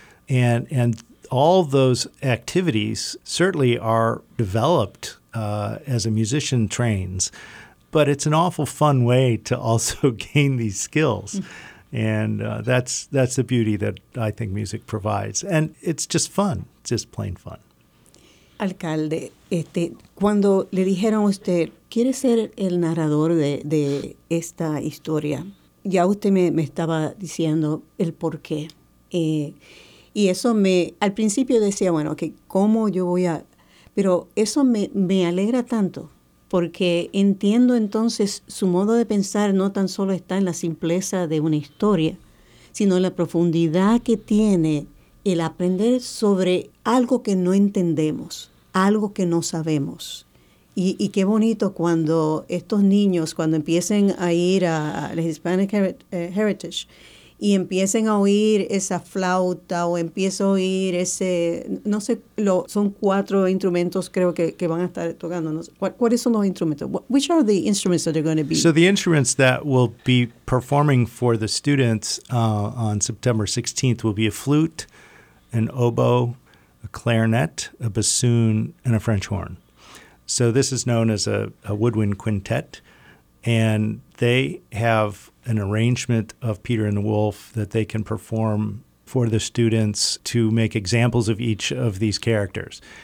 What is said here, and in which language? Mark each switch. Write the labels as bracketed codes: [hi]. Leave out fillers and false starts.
[en] And all those activities certainly are developed as a musician trains, but it's an awful fun way to also gain these skills. And that's the beauty that I think music provides. And it's just fun, it's just plain fun. [es] Alcalde, cuando le dijeron a usted, ¿quiere ser el narrador de esta historia? Ya usted me estaba diciendo el por qué. Y eso me, al principio decía, bueno, que cómo yo voy a... Pero eso me alegra tanto, porque entiendo entonces su modo de pensar no tan solo está en la simpleza de una historia, sino en la profundidad que tiene el aprender sobre algo que no entendemos, algo que no sabemos. Y qué bonito cuando estos niños, cuando empiecen a ir a Hispanic Heritage y empiecen a oír esa flauta o empiezo a oír ese, no sé, son cuatro instrumentos creo que van a estar tocando. No sé, ¿cuáles son los instrumentos? [en] Which are the instruments that are going to be? So the instruments that will be performing for the students on September 16th will be a flute, an oboe, a clarinet, a bassoon, and a French horn. So this is known as a woodwind quintet, and they have an arrangement of Peter and the Wolf that they can perform for the students to make examples of each of these characters.